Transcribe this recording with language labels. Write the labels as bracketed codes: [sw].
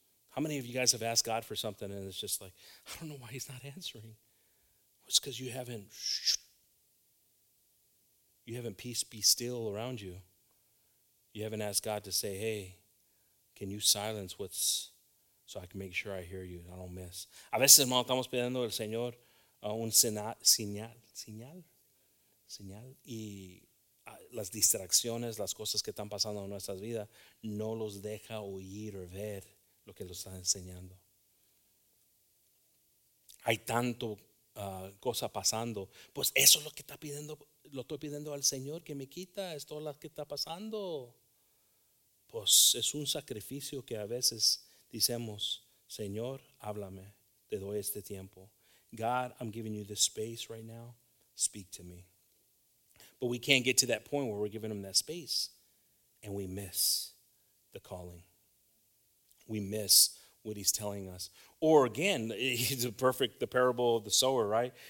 [en] How many of you guys have asked God for something and it's just like, I don't know why he's not answering. It's because you haven't peace be still around you. You haven't asked God to say, hey, can you silence what's so I can make sure I hear you and I don't miss. [es] A veces, hermano, estamos pidiendo al Señor un señal, y las distracciones, las cosas que están pasando en nuestras vidas, no los deja oír o ver lo que los está enseñando. Hay tanto cosa pasando, pues eso es lo que está pidiendo, lo estoy pidiendo al Señor, que me quita esto lo que está pasando. Pues es un sacrificio que a veces decimos, Señor, háblame. te doy este tiempo. [en] God, I'm giving you this space right now. Speak to me. But we can't get to that point where we're giving him that space and we miss the calling. We miss what he's telling us. Or again, it's a perfect, the parable of the sower, right?